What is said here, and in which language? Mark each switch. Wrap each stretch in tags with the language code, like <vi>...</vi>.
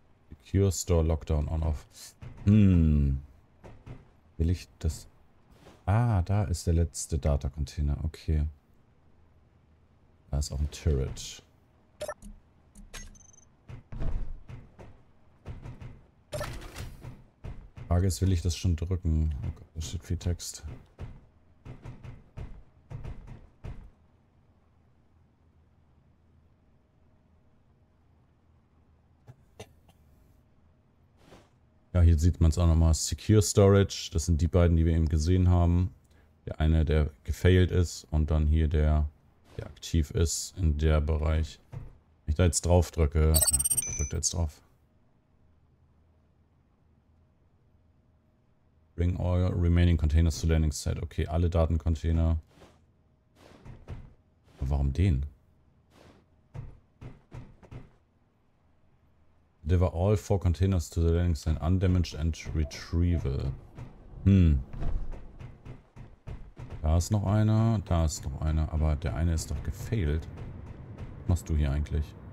<en>Secure Store Lockdown on off.</en> <de>Will ich das? Ah, da ist der letzte Data Container. Okay. Da ist auch ein Turret. Frage ist, will ich das schon drücken? Oh Gott, da steht viel Text. Ja, hier sieht man es auch nochmal. Secure Storage, das sind die beiden, die wir eben gesehen haben. Der eine, der gefailed ist und dann hier der, der aktiv ist in der Bereich. Wenn ich da jetzt drauf drücke, drückt jetzt drauf.</de> <en>Bring all remaining containers to landing site.</en> <de>Okay, alle Datencontainer. Aber warum den?</de> <en>Deliver all four containers to the landing site. Undamaged and retrieval.</en> <de>Da ist noch einer. Da ist noch einer. Aber der eine ist doch gefailed. Was machst du hier eigentlich?</de>